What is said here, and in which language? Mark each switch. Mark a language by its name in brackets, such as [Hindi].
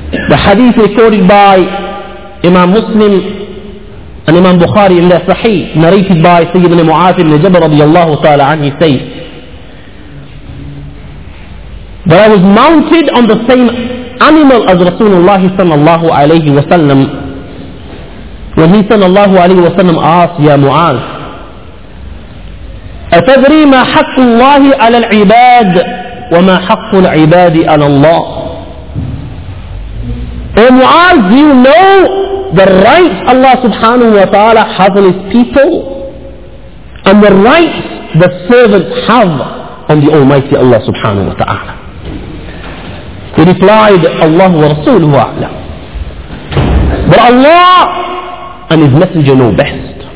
[English] The hadith recorded by Imam Muslim and Imam Bukhari in their Sahih, narrated by Sayyidina Mu'adh ibn Jabal radiallahu ta'ala anhu, he says, that I was mounted on the same animal as Rasulullah sallallahu alayhi wa sallam. When he sallallahu alayhi wa sallam asked, Ya Mu'adh, [Arabic] أَتَدْرِي مَا حَقُّ اللَّهِ عَلَى الْعِبَادِ وَمَا حَقُّ الْعِبَادِ عَلَى اللَّهِ? [English] O Mu'adh, do you know the rights Allah subhanahu wa ta'ala has on his people and the rights the servants have on the Almighty Allah subhanahu wa ta'ala? He replied, Allah wa Rasuluhu a'lam. But Allah and His Messenger know best.